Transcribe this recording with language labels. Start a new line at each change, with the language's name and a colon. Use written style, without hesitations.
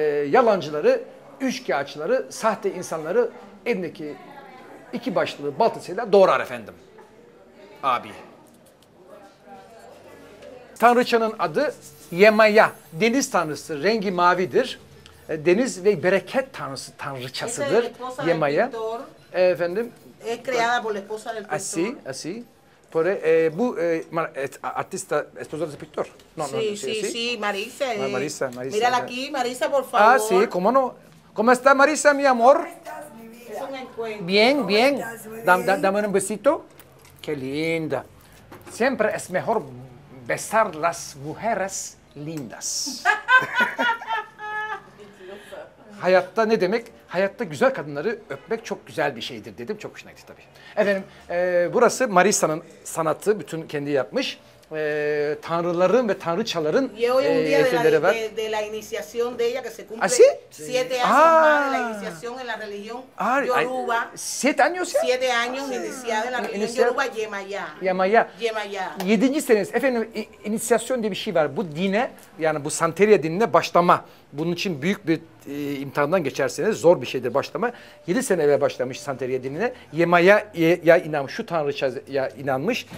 Turkish: Yalancıları, üçkağıtçıları, sahte insanları elindeki iki başlı baltasıyla doğrar efendim. Abi. Tanrıçanın adı Yemaya. Deniz tanrısı. Rengi mavidir. Deniz ve bereket tanrısı, tanrıçasıdır. Yemaya. Efendim.
Spanish: Es creada por la esposa del pintor. Así. Por bu artista, esposa del pintor. Sí, Marisa. Marisa. Mírala aquí, Marisa, por favor. Ah, sí, cómo no. ¿Cómo está Marisa, mi amor? Es un encuentro. Bien, bien. Dame un besito. Qué linda. Siempre es mejor besar las mujeres lindas.
Turkish: Hayatta ne demek? Hayatta güzel kadınları öpmek çok güzel bir şeydir dedim. Çok hoşuna gitti tabii. Efendim, burası Marisa'nın sanatı. Bütün kendi yapmış. Tanrıların ve tanrıçaların eserleri var.
Spanish: De la iniciación de ella que se cumple. ¿Ah, sí? Siete años más de la iniciación en la religión Yoruba. ¿Siete años ya? Siete años iniciado en la religión Yoruba, Yemaya.
Turkish: Yedinci seniz. Efendim, iniciación diye bir şey var. Bu dine, yani bu Santeria dinine başlama. Bunun için büyük bir imtihandan geçerseniz zor bir şeydir başlama. 7 sene evvel başlamış Santeria dinine. Yemaya inanmış, şu tanrıçaya inanmış.